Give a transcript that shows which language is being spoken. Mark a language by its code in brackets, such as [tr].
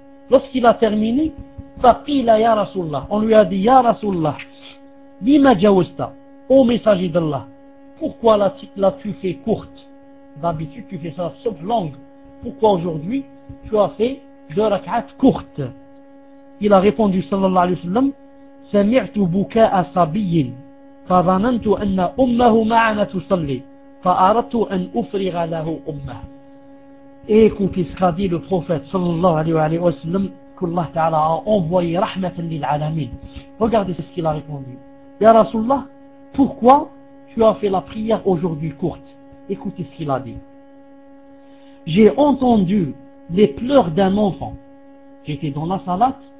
[fr] Lorsqu'il a terminé, [ar] faqila ya Rasulullah, [fr] on lui a dit ya Rasulullah, [ar] lima jawasta, [fr] ô messager d'Allah, pourquoi l'as-tu fait courte? D'habitude tu fais salat sobh longue, pourquoi aujourd'hui tu as fait deux rak'at courtes? Il a répondu [ar] sallallahu alayhi wa sallam, سمعت بكاء صبي فظننت أن أمه معنا تصلي فأردت أن أفرغ له أمه. [fr] Écoutez ce qu'a dit le prophète sallallahu alayhi wa sallam, qu'Allah Ta'ala a envoyé rahmatan lil alamin. Regardez ce qu'il a répondu. Ya Rasulullah, pourquoi tu as fait la prière aujourd'hui courte? Écoutez ce qu'il a dit. J'ai entendu les pleurs d'un enfant. J'étais dans la salat.